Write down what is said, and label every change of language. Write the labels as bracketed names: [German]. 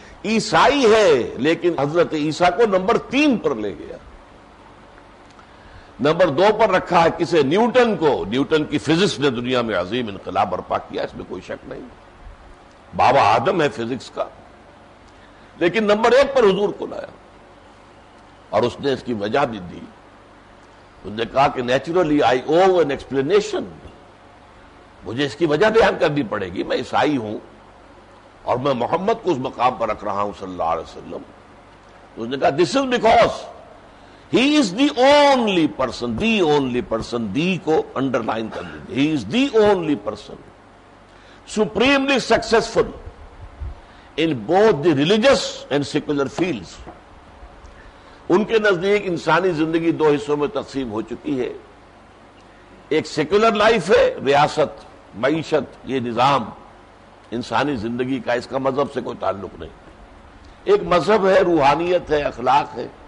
[Urdu] عیسائی ہے لیکن حضرت عیسیٰ کو نمبر تین پر لے گیا، نمبر دو پر رکھا ہے کسے، نیوٹن کو، نیوٹن کی فزکس نے دنیا میں عظیم انقلاب برپا کیا، اس میں کوئی شک نہیں، بابا آدم ہے فزکس کا، لیکن نمبر ایک پر حضور کو لایا. اور اس نے اس کی وجہ بھی دی، اس نے کہا کہ [English] naturally I owe an explanation, [Urdu] مجھے اس کی وجہ بیان کرنی پڑے گی، میں عیسائی ہوں اور میں محمد کو اس مقام پر رکھ رہا ہوں صلی اللہ علیہ وسلم. تو اس نے کہا [English] this is because he is the only person, the only person, [Urdu] دی کو انڈر لائن کر دیجیے، [English] He is the only person supremely successful in both the religious and secular fields. [Urdu] ان کے نزدیک انسانی زندگی دو حصوں میں تقسیم ہو چکی ہے، ایک سیکولر لائف ہے، ریاست معیشت یہ نظام انسانی زندگی کا، اس کا مذہب سے کوئی تعلق نہیں، ایک مذہب ہے، روحانیت ہے، اخلاق ہے.